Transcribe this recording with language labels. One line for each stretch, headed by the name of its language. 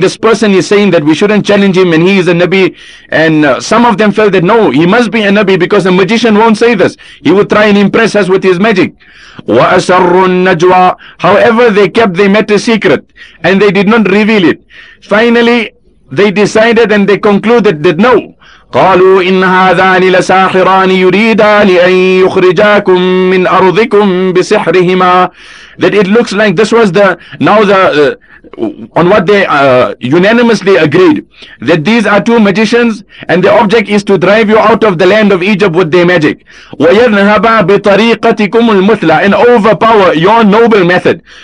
English: This person is saying that we shouldn't challenge him, and he is a Nabi. And some of them felt that no, he must be a Nabi, because a magician won't say this. He would try and impress us with his magic.
Arabic: وَأَسَرُّ النَّجْوَى.
English: However, they kept their matter secret, and they did not reveal it. Finally, they decided and they concluded that no.
Arabic: قالوا إن هذان لساحران يريدان أن يخرجاكم من أرضكم بسحرهما.
English: That it looks like this was the now the on what they unanimously agreed, that these are two magicians and the object is to drive you out of the land of Egypt with their magic.
Arabic: وينهبا بطريقتكم المثلى,
English: and overpower your noble method.